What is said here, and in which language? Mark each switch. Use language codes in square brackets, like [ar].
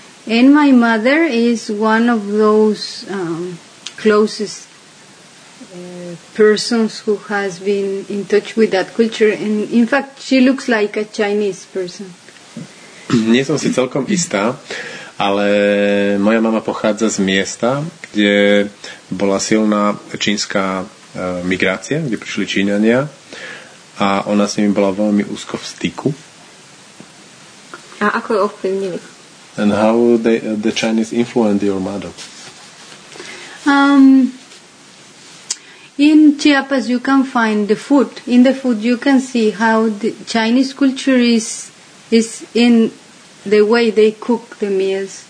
[en] And my mother is one of those closest persons who has been in touch with that culture. And in fact, she looks like a Chinese person. [sk] Nie som si celkom istá, ale moja mama pochádza z miesta, kde bola silná čínska migrácia, kde prišli Číňania. A ona s nimi bola veľmi úzko v styku. A ako ju ovplyvnili? [en] And how the Chinese influenced your mother? In Chiapas you can find the food. In the food you can see how the Chinese culture is in the way they cook the meals.